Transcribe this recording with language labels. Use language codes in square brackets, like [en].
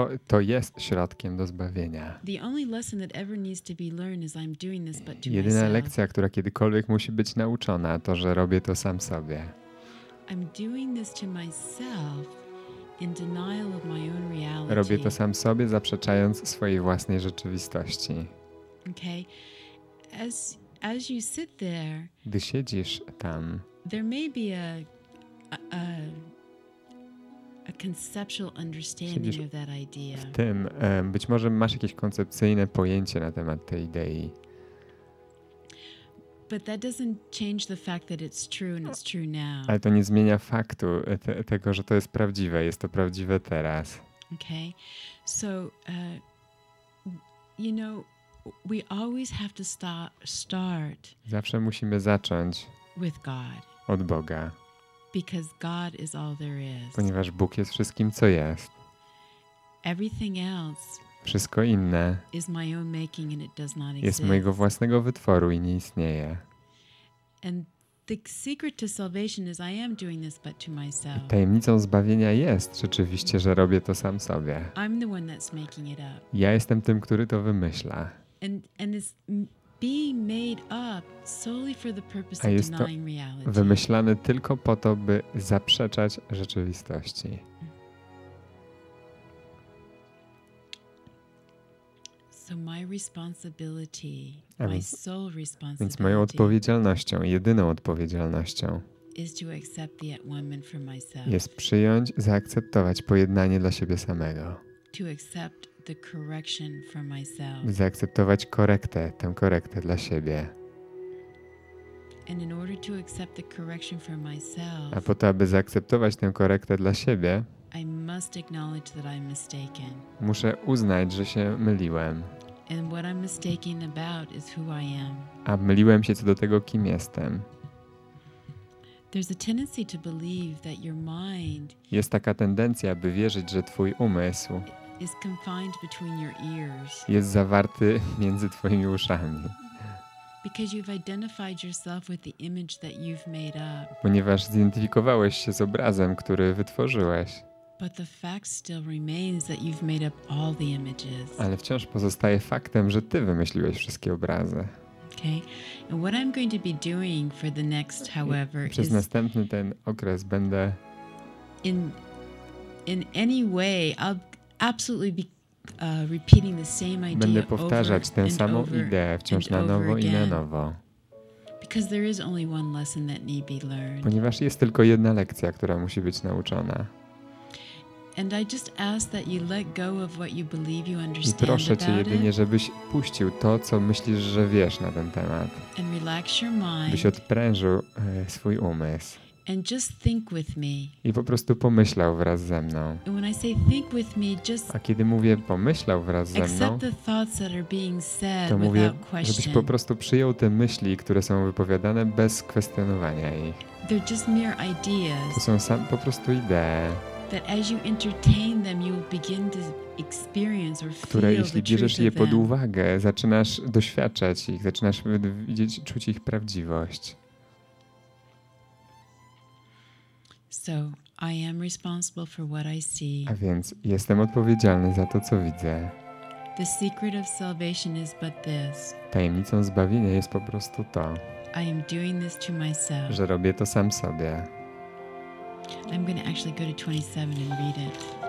[pl] To jest środkiem do zbawienia. [en] The only lesson that ever needs to be learned is I'm doing this, but to myself. [pl] Jedyna lekcja, która kiedykolwiek musi być nauczona, to że robię to sam sobie. [en] I'm doing this to myself. In denial of my own reality. [pl] Robię to sam sobie, zaprzeczając swojej własnej rzeczywistości. [en] Okay. As you sit there, [pl] gdy siedzisz tam, [en] there may be a conceptual understanding of that idea. [pl] W tym, być może masz jakieś koncepcyjne pojęcie na temat tej idei. [en] But that doesn't change the fact that it's true and it's true now. [pl] Ale to nie zmienia faktu tego, że to jest prawdziwe, jest to prawdziwe teraz. [en] Okay. So you know, we always have to start. [pl] Zawsze musimy zacząć [en] with God. [pl] Od Boga. [en] Because God is all there is. [pl] Ponieważ Bóg jest wszystkim, co jest. [en] Everything else. [pl] Wszystko inne [en] is my own making and it does not exist. [pl] Jest mojego własnego wytworu i nie istnieje. [en] And the secret to salvation is I am doing this but to myself. [pl] I tajemnicą zbawienia jest rzeczywiście, że robię to sam sobie. [en] I'm the one that's making it up. [pl] Ja jestem tym, który to wymyśla. [en] And it's being made up solely for the purpose of denying reality. [pl] Wymyślane tylko po to, by zaprzeczać rzeczywistości. [en] So my responsibility, my sole responsibility, [pl] więc moją odpowiedzialnością, jedyną odpowiedzialnością [en] is to accept the atonement for myself. [pl] Jest przyjąć, zaakceptować pojednanie dla siebie samego. [en] To accept the correction for myself. [pl] Zaakceptować korektę, tę korektę dla siebie. [en] And in order to accept the correction for myself, [pl] a po to, aby zaakceptować tę korektę dla siebie, [en] I must acknowledge that I'm mistaken. [pl] Muszę uznać, że się myliłem. [en] And what I'm mistaken about is who I am. [pl] A myliłem się co do tego, kim jestem. [en] There's a tendency to believe that your mind. [pl] Jest taka tendencja, by wierzyć, że twój umysł [en] is confined between your ears. [pl] Jest zawarty między twoimi uszami. [en] Because you've identified yourself with the image that you've made up. [pl] Ponieważ zidentyfikowałeś się z obrazem, który wytworzyłeś. [en] But the fact still remains that you've made up all the images. [pl] Ale wciąż pozostaje faktem, że ty wymyśliłeś wszystkie obrazy. [en] Okay. And what I'm going to be doing for the next, however, [pl] przez następny ten okres będę [en] in any way I'll absolutely be repeating the same idea. [pl] Będę powtarzać tę samą ideę wciąż na nowo i na nowo. [en] Because there is only one lesson that need be learned. [pl] Ponieważ jest tylko jedna lekcja, która musi być nauczona. [en] And I just ask that you let go of what you believe you understand about it. [pl] I proszę cię jedynie, żebyś puścił to, co myślisz, że wiesz na ten temat. [en] And relax your mind. [pl] Byś odprężył swój umysł. [en] And just think with me. [pl] I po prostu pomyślał wraz ze mną. [en] And when I say think with me, just [pl] a kiedy mówię pomyślał wraz ze mną, [en] accept the thoughts that are being said, [pl] to mówię, [en] without question. [pl] Żebyś po prostu przyjął te myśli, które są wypowiadane bez kwestionowania ich. [en] They're just mere ideas. [pl] To są po prostu idee. [en] That as you entertain them, you will begin to experience or feel the truth. [pl] Jeśli bierzesz je pod uwagę, zaczynasz doświadczać ich, zaczynasz widzieć, czuć ich prawdziwość. [en] So I am responsible for what I see. [pl] A więc jestem odpowiedzialny za to, co widzę. [en] The secret of salvation is but this. [pl] Tajemnicą zbawienia jest po prostu to. [en] I am doing this to myself. [pl] Że robię to sam sobie. [en] I'm going to actually go to 27 and read it.